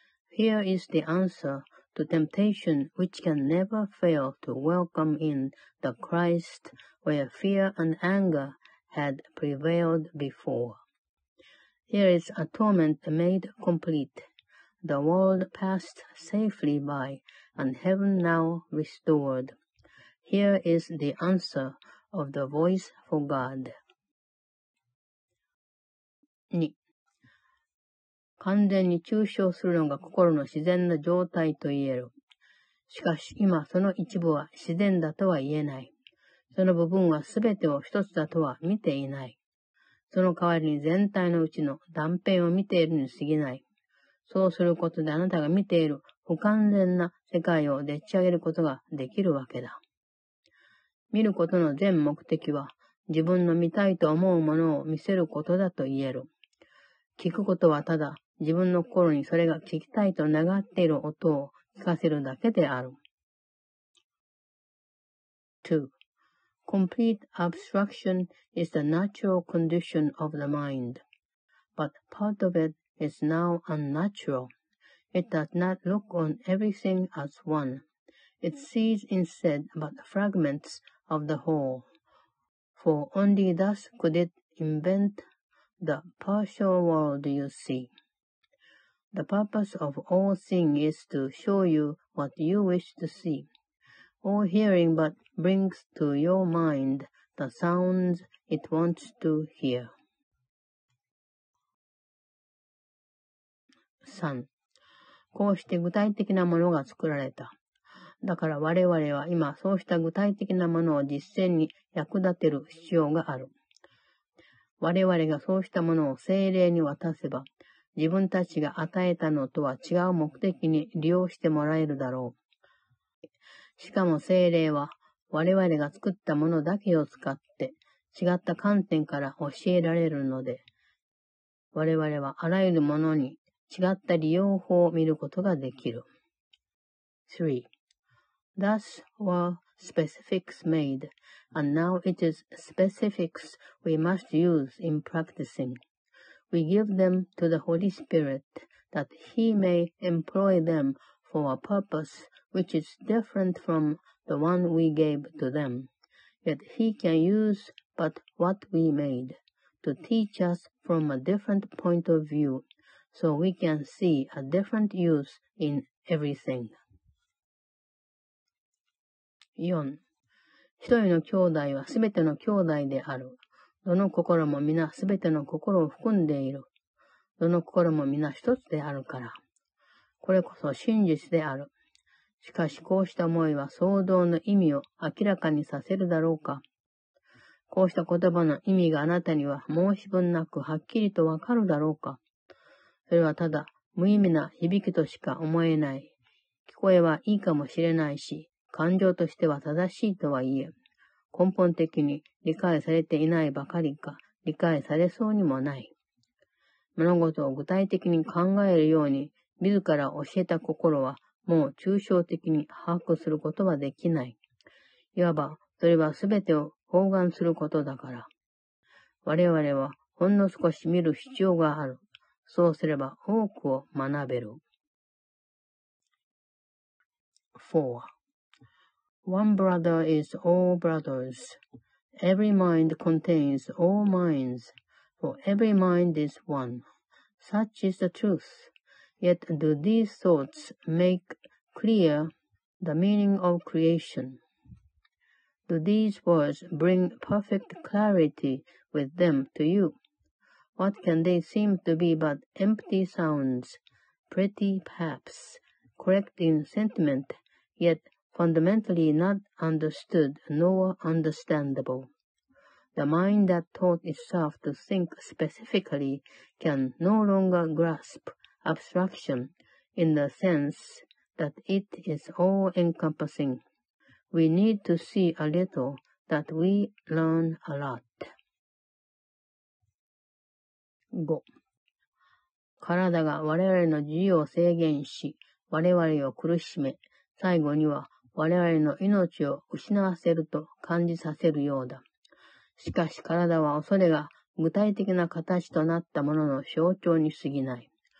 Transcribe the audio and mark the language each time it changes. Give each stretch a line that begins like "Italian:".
English: Here is the answer to temptation which can never fail to welcome in the Christ where fear and anger had prevailed before. Here is atonement made complete, the world passed safely by, and heaven now restored. Here is the answer of the voice for God. 2.
Japanese: 完全に抽象するのが心の自然な状態と言える。しかし今その一部は自然だとは言えない。その部分は全てを一つだとは見ていない。その代わりに全体のうちの断片を見ているに過ぎない。そうすることであなたが見ている不完全な世界をでっち上げることができるわけだ。見ることの全目的は自分の見たいと思うものを見せることだと言える。聞くことはただ自分の心にそれが聞きたいと願っている音を聞かせるだけである。 2.
English: Complete abstraction is the natural condition of the mind. But part of it is now unnatural. It does not look on everything as one. It sees instead but fragments of the whole. For only thus could it invent the partial world you see. The purpose of all seeing is to show you what you wish to see. All hearing but brings to your mind the sounds it wants to hear. 3.
Japanese: こうして具体的なものが作られた。だから我々は今そうした具体的なものを実践に役立てる必要がある。我々がそうしたものを聖霊に渡せば、自分たちが与えたのとは違う目的に利用してもらえるだろう。しかも聖霊は我々が作ったものだけを使って違った観点から教えられるので、我々はあらゆるものに違った利用法を見ることができる。 3.
English: Thus were specifics made, and now it is specifics we must use in practicing. We give them to the Holy Spirit that He may employ them for a purpose which is different from the one we gave to them. Yet He can use but what we made to teach us from a different point of view so we can see a different use in everything. 4.
Japanese: 一人の兄弟はすべての兄弟である。どの心も皆すべての心を含んでいる。どの心も皆一つであるから。これこそ真実である。しかしこうした思いは創造の意味を明らかにさせるだろうか。こうした言葉の意味があなたには申し分なくはっきりとわかるだろうか。それはただ無意味な響きとしか思えない。聞こえはいいかもしれないし、感情としては正しいとは言え。根本的に理解されていないばかりか、理解されそうにもない。物事を具体的に考えるように、自ら教えた心はもう抽象的に把握することはできない。いわば、それはすべてを包含することだから。我々はほんの少し見る必要がある。そうすれば多くを学べる。 4.
English: One brother is all brothers. Every mind contains all minds, for every mind is one. Such is the truth. Yet do these thoughts make clear the meaning of creation? Do these words bring perfect clarity with them to you? What can they seem to be but empty sounds, pretty perhaps, correct in sentiment, yet fundamentally not understood nor understandable? The mind that taught itself to think specifically can no longer grasp abstraction in the sense that it is all-encompassing. We need to see a little that we learn a lot. 5.
Japanese: 体が我々の自由を制限し、我々を苦しめ、最後には我々の命を失わせると感じさせるようだ。しかし体は恐れが具体的な形となったものの象徴に過ぎない。